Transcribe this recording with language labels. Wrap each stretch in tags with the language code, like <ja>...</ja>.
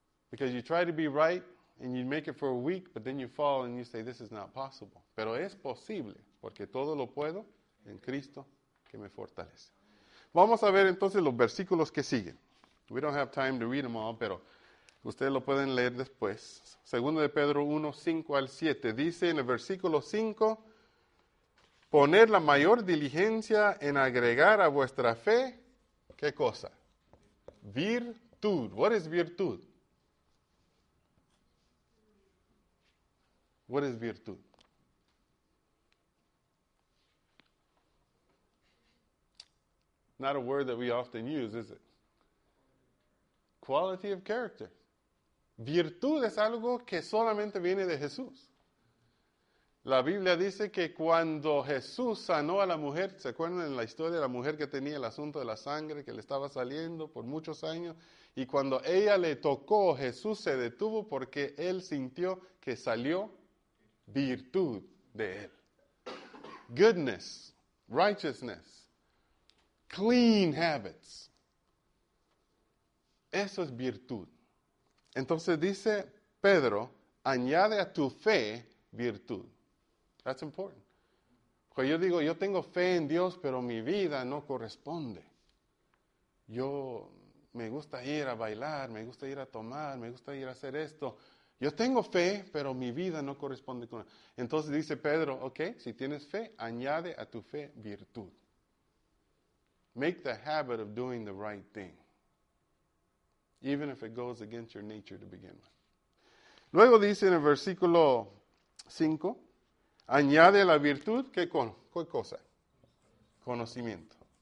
<en>Because you try to be right, and you make it for a week, but then you fall and you say, this is not possible.</en> <es>Pero es posible, porque todo lo puedo en Cristo que me fortalece. Vamos a ver entonces los versículos que siguen.</es> <en>We don't have time to read them all,</en> <es>pero ustedes lo pueden leer después. Segundo de Pedro 1, 5 al 7. Dice en el versículo 5, poner la mayor diligencia en agregar a vuestra fe, ¿qué cosa?</es> <en>Virtud. What is virtud? What is virtud? Not a word that we often use, is it? Quality of character.</en> <es>Virtud es algo que solamente viene de Jesús. La Biblia dice que cuando Jesús sanó a la mujer, ¿se acuerdan en la historia de la mujer que tenía el asunto de la sangre que le estaba saliendo por muchos años? Y cuando ella le tocó, Jesús se detuvo porque él sintió que salió virtud de él.</es> <en>Goodness, righteousness, clean habits.</en> <es>Eso es virtud. Entonces dice Pedro, añade a tu fe virtud.</es> <en>That's important.</en> <es>Porque yo digo, yo tengo fe en Dios, pero mi vida no corresponde. Yo me gusta ir a bailar, me gusta ir a tomar, me gusta ir a hacer esto. Yo tengo fe, pero mi vida no corresponde con él. Entonces dice Pedro, ok, si tienes fe, añade a tu fe virtud.</es> <en>Make the habit of doing the right thing. Even if it goes against your nature to begin with.</en> <es>Luego dice en el versículo 5, añade a la virtud, ¿qué cosa? Conocimiento.</es>